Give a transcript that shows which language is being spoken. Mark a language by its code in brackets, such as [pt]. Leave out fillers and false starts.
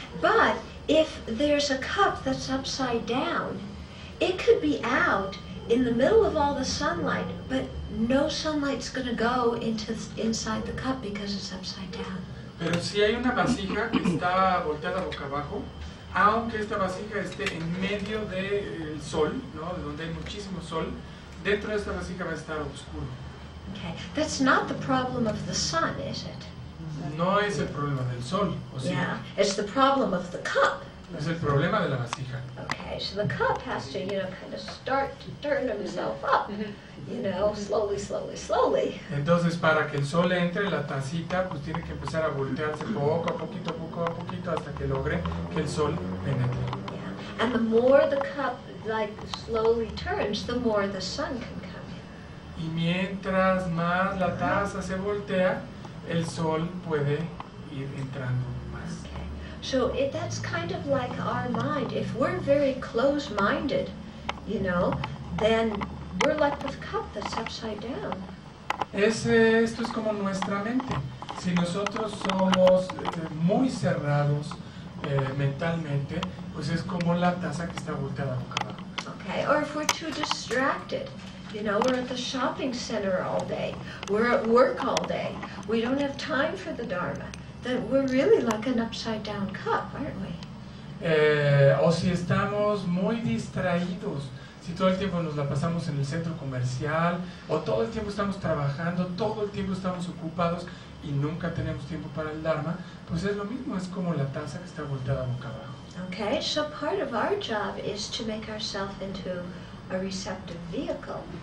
[en] But if there's a cup that's upside down, it could be out in the middle of all the sunlight, but no sunlight's going to go into inside the cup because it's upside down. [es] Pero si hay una vasija que está volteada boca abajo, aunque esta vasija esté en medio del sol, ¿no? De donde hay muchísimo sol, dentro de esta vasija va a estar oscuro. [en] Okay. That's not the problem of the sun, is it? [es] No es el problema del sol, ¿o sí? [en] Yeah, it's the problem of the cup. [es] Es el problema de la vasija. [en] Okay, so the cup has to, you know, kind of start to turn himself up. You know, slowly, slowly, slowly. [es] Entonces, para que el sol entre en la tacita, pues tiene que empezar a voltearse poco a poquito, hasta que logre que el sol penetre. [en] Yeah. And the more the cup, like, slowly turns, the more the sun can come in. [es] Y mientras más la taza se voltea, el sol puede ir entrando más. [en] Okay. So, that's kind of like our mind. If we're very close-minded, you know, then we're like the cup that's upside down. [es] Esto es como nuestra mente. Si nosotros somos muy cerrados mentalmente, pues es como la taza que está volteada boca abajo. [en] Okay, or if we're too distracted, you know, we're at the shopping center all day, we're at work all day, we don't have time for the Dharma, then we're really like an upside down cup, aren't we? [es] O si estamos muy distraídos. Si todo el tiempo nos la pasamos en el centro comercial, o todo el tiempo estamos trabajando, todo el tiempo estamos ocupados y nunca tenemos tiempo para el Dharma, pues es lo mismo, es como la taza que está volteada boca abajo. [en] Okay, so part of our job is to make ourselves into a receptive vehicle.